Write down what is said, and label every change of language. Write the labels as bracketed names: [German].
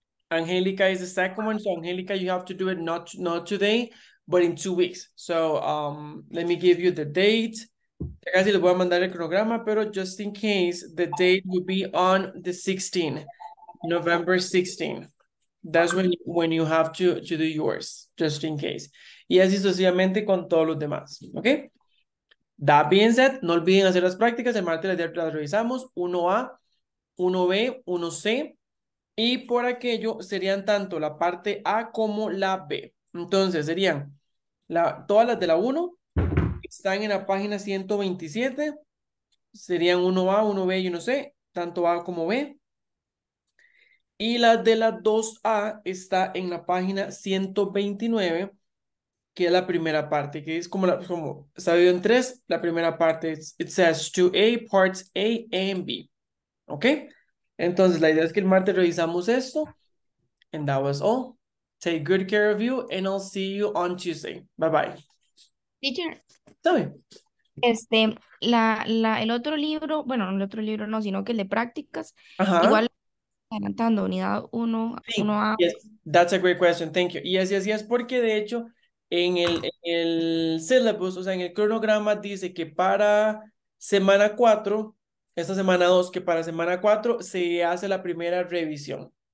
[English] Angelica is the second one. So, Angelica, you have to do it not today, but in 2 weeks. So, let me give you the date. [Spanish] Casi les voy a mandar el cronograma, pero [English] just in case, the date will be on the 16th, November 16th. That's when you have to do yours, just in case. [Spanish] Y así sucesivamente con todos los demás, okay? [English] That being said, [Spanish] no olviden hacer las prácticas. El martes las revisamos. 1A, 1B, 1C. Y por aquello serían tanto la parte A como la B. Entonces serían todas las de la 1 están en la página 127. Serían 1A, 1B y 1C, tanto A como B. Y las de la 2A está en la página 129, que es la primera parte, que es como está dividido en tres. La primera parte es, [English] it says 2A, parts A and B. ¿Ok? [Spanish] Entonces, la idea es que el martes revisamos esto. [English] And that was all. Take good care of you and I'll see you on Tuesday. Bye Teacher, bye. [Spanish] el otro libro, bueno, el otro libro no, sino que el de prácticas, Ajá. igual Adelantando, unidad 1, Sí, 1A. [English] Yes. That's a great question, thank you. [Spanish] Yes, yes, yes, porque de hecho, en el syllabus, o sea, en el cronograma, dice que para semana 4, esta semana 2, que para semana 4 se hace la primera revisión.